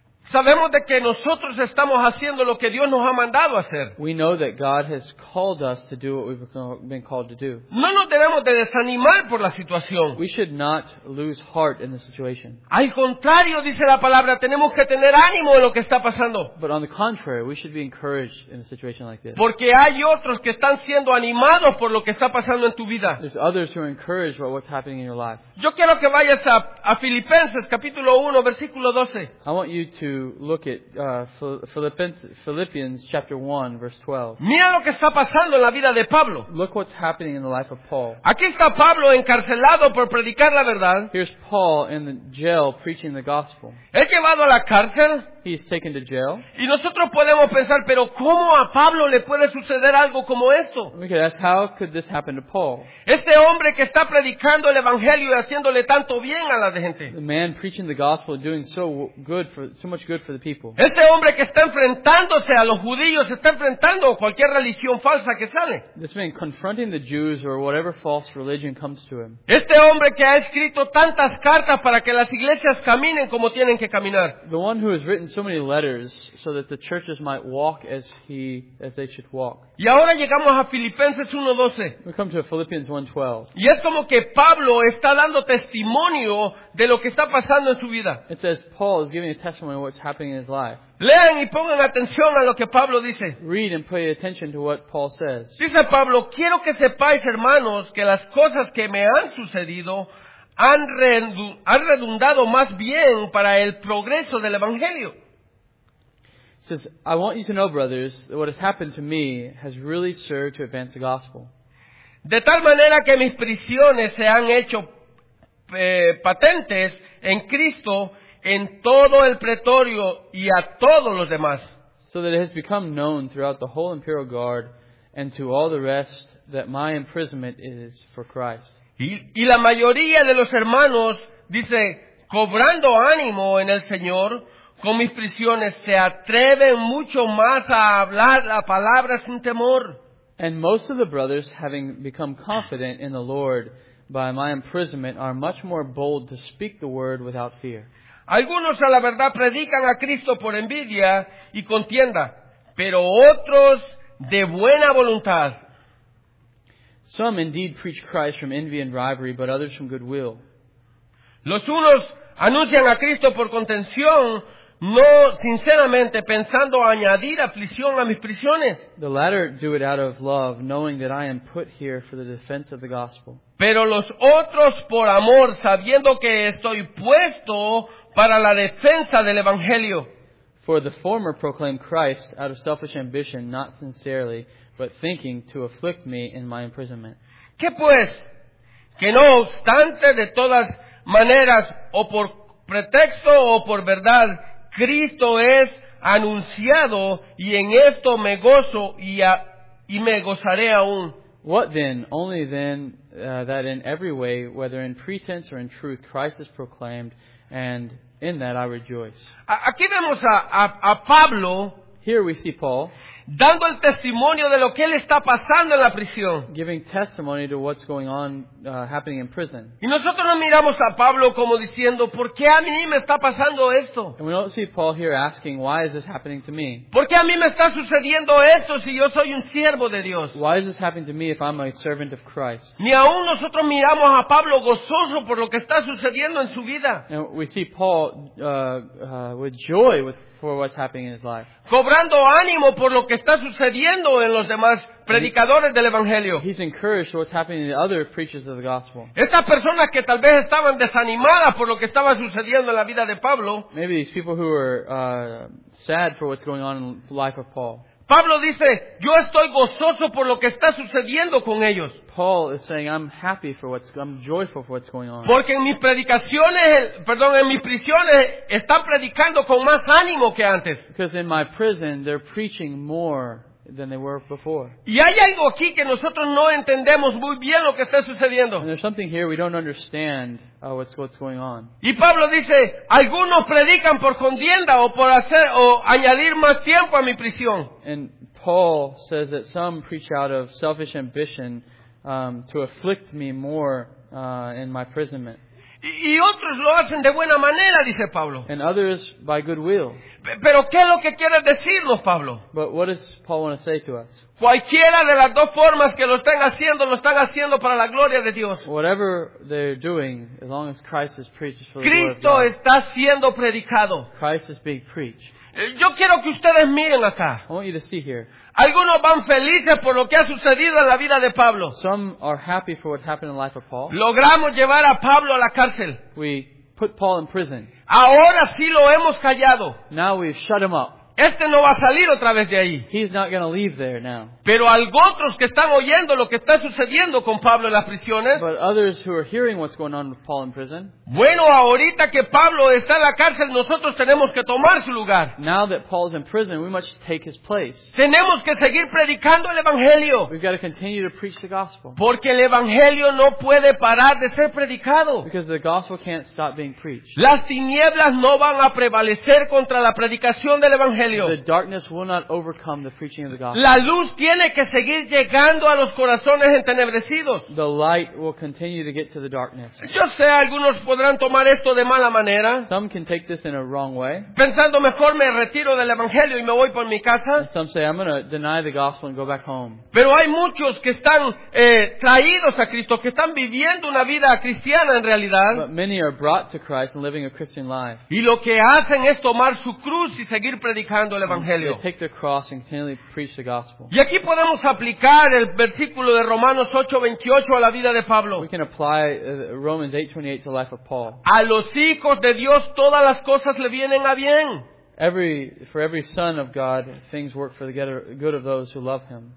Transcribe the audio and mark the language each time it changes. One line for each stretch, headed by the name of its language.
Spanish: sabemos de que nosotros estamos haciendo lo que Dios nos ha mandado hacer.
English: We know that God has called us to do what we've been called to do.
Spanish: No nos debemos de desanimar por la situación.
English: We should not lose heart in the situation.
Spanish: Al contrario, dice la palabra, tenemos que tener ánimo en lo que está pasando.
English: But on the contrary, we should be encouraged in a situation like this.
Spanish: Porque hay otros que están siendo animados por lo que está pasando en tu vida.
English: There's others who are encouraged by what's happening in your life.
Spanish: Yo quiero que vayas a Filipenses capítulo 1 versículo 12.
English: I want you to look at Philippians chapter 1 verse 12.
Spanish: Mira lo que está pasando en la vida de Pablo.
English: Look what's happening in the life of Paul.
Spanish: Aquí está Pablo encarcelado por predicar la verdad.
English: Here's Paul in the jail preaching the gospel.
Spanish: Es llevado a la cárcel.
English: He's taken to jail.
Spanish: Y nosotros podemos pensar, pero ¿cómo a Pablo le puede suceder algo como esto?
English: We could ask, how could this happen to Paul?
Spanish: Este hombre que está predicando el evangelio y haciéndole tanto bien a la gente.
English: The man preaching the gospel and doing so much good for the people.
Spanish: Este hombre que está enfrentándose a los judíos, está enfrentando cualquier religión falsa que sale.
English: This man confronting the Jews or whatever false religion comes to him.
Spanish: Este hombre que ha escrito tantas cartas para que las iglesias caminen como tienen que caminar.
English: The one who has written so many letters so that the churches might walk as they should walk.
Spanish: Y ahora llegamos a Filipenses 1:12.
English: We come to Philippians 1:12.
Spanish: Y es como que Pablo está dando testimonio de lo que está pasando en su vida.
English: It says Paul is giving a testimony of what's happening in his life.
Spanish: Lean y pongan atención a lo que Pablo dice.
English: Read and pay attention to what Paul says.
Spanish: Dice Pablo, quiero que sepáis, hermanos, que las cosas que me han sucedido han redundado más bien para el progreso del evangelio.
English: He says, I want you to know, brothers, that what has happened to me has really served to advance the gospel.
Spanish: De tal manera que mis prisiones se han hecho patentes en Cristo, en todo el pretorio y a todos los demás.
English: So that it has become known throughout the whole imperial guard and to all the rest that my imprisonment is for Christ.
Spanish: Y la mayoría de los hermanos, dice, cobrando ánimo en el Señor, con mis prisiones, se atreven mucho más a hablar la palabra sin temor.
English: And most of the brothers, having become confident in the Lord by my imprisonment, are much more bold to speak the word without fear.
Spanish: Algunos a la verdad predican a Cristo por envidia y contienda, pero otros de buena voluntad.
English: Some indeed preach Christ from envy and rivalry, but others from goodwill.
Spanish: Los unos anuncian a Cristo por contención, no sinceramente pensando añadir aflicción a mis prisiones.
English: The latter do it out of love, knowing that I am put here for the defense of the gospel.
Spanish: Pero los otros por amor, sabiendo que estoy puesto para la defensa del evangelio.
English: For the former proclaim Christ out of selfish ambition, not sincerely, but thinking to afflict me in my imprisonment.
Spanish: ¿Qué pues? Que no obstante de todas maneras, o por pretexto o por verdad, Cristo es anunciado, y en esto me gozo y me gozaré aún.
English: What then? Only then that in every way, whether in pretense or in truth, Christ is proclaimed, and in that I rejoice.
Spanish: Aquí vemos a Pablo.
English: Here we see Paul.
Spanish: Dando el testimonio de lo que él está pasando en la prisión.
English: Giving testimony to what's going on, happening in prison.
Spanish: Y nosotros no miramos a Pablo como diciendo, ¿por qué a mí me está pasando esto?
English: And we don't see Paul here asking, why is this happening to me?
Spanish: ¿Por qué a mí me está sucediendo esto si yo soy un siervo de Dios?
English: Why is this happening to me if I'm a servant of Christ?
Spanish: Ni aún nosotros miramos a Pablo gozoso por lo que está sucediendo en su vida.
English: And we see Paul with joy, with for what's happening in his life.
Spanish: Cobrando ánimo por lo que está sucediendo en los demás predicadores del evangelio.
English: He's encouraged what's happening in the other preachers of the gospel.
Spanish: Estas personas que tal vez estaban desanimadas por lo que estaba sucediendo en la vida de Pablo.
English: Maybe these people who were sad for what's going on in the life of Paul.
Spanish: Pablo dice, yo estoy gozoso por lo que está sucediendo con ellos.
English: Paul is saying, I'm joyful for what's going on.
Spanish: Porque en mis predicaciones, en mis prisiones, están predicando con más ánimo que antes.
English: Because in my prison, they're preaching more than they were before.
Spanish: Y hay algo aquí que nosotros no entendemos muy bien lo que está sucediendo.
English: And there's something here we don't understand what's going on.
Spanish: Y Pablo dice, algunos predican por contienda o por hacer o añadir más tiempo a mi prisión.
English: And Paul says that some preach out of selfish ambition to afflict me more in my imprisonment.
Spanish: Y otros lo hacen de buena manera, dice Pablo.
English: And others by goodwill.
Spanish: Pero ¿qué es lo que quiere decirnos, Pablo?
English: But what does Paul want to say to us?
Spanish: Cualquiera de las dos formas que lo están haciendo para la gloria de Dios.
English: Whatever they're doing, as long as Christ is preached for the glory of God.
Spanish: Cristo está siendo predicado.
English: Christ is being preached.
Spanish: Yo quiero que ustedes miren acá.
English: I want you to see here.
Spanish: Algunos van felices por lo que ha sucedido en la vida de Pablo.
English: Some are happy for what happened in the life of Paul.
Spanish: Logramos llevar a Pablo a la cárcel.
English: We put Paul in prison.
Spanish: Ahora sí lo hemos callado.
English: Now we've shut him up.
Spanish: Este no va a salir otra vez de ahí.
English: He's not going to leave there now.
Spanish: Pero algunos que están oyendo lo que está sucediendo con Pablo en las prisiones.
English: But others who are hearing what's going on with Paul in prison.
Spanish: Bueno, ahorita que Pablo está en la cárcel, nosotros tenemos que tomar su lugar.
English: Now that Paul's in prison, we must take his place.
Spanish: Tenemos que seguir predicando el evangelio.
English: We've got to continue to preach the gospel.
Spanish: Porque el evangelio no puede parar de ser predicado.
English: Because the gospel can't stop being preached.
Spanish: Las tinieblas no van a prevalecer contra la predicación del evangelio.
English: The darkness will not overcome the preaching of the gospel.
Spanish: La luz tiene que seguir llegando a los corazones entenebrecidos.
English: The light will continue to get to the darkness.
Spanish: Yo sé, algunos podrán tomar esto de mala manera.
English: Some can take this in a wrong way.
Spanish: Pensando, mejor me retiro del evangelio y me voy por mi casa.
English: And some say, I'm going to deny the gospel and go back home.
Spanish: Pero hay muchos que están traídos a Cristo, que están viviendo una vida cristiana en realidad.
English: But many are brought to Christ and living a Christian life.
Spanish: Y lo que hacen es tomar su cruz y seguir predicando. Predicando el evangelio.
English: They take their cross and continually preach the gospel.
Spanish: Y aquí podemos aplicar el versículo de Romanos 8:28 a la vida de Pablo.
English: We can apply Romans 8:28 to the life of Paul.
Spanish: A los hijos de Dios todas las cosas le vienen a bien.
English: For every son of God, things work for the good of those who love him.